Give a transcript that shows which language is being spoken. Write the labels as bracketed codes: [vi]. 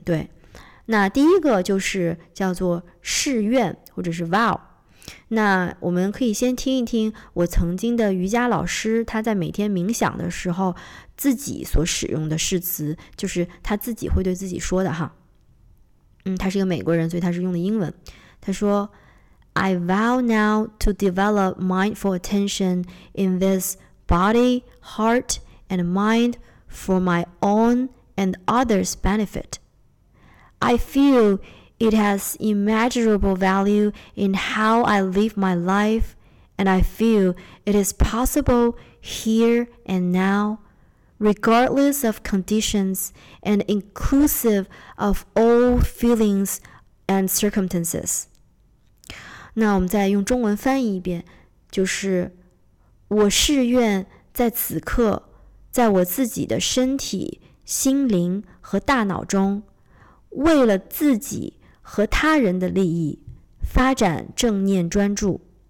[zh] 对，那第一个就是叫做试愿或者是 vow。那我们可以先听一听我曾经的瑜伽老师，他在每天冥想的时候自己所使用的誓词，就是他自己会对自己说的哈。他是一个美国人，所以他是用的英文。他说 [en] I vow now to develop mindful attention in this body, heart, and mind for my own and others' benefit. I feel it has immeasurable value in how I live my life, and I feel it is possible here and now, regardless of conditions and inclusive of all feelings and circumstances. [zh] 那我们再用中文翻译一遍，就是我誓愿在此刻，在我自己的身体、心灵和大脑中，为了自己和他人的利益发展正念专注。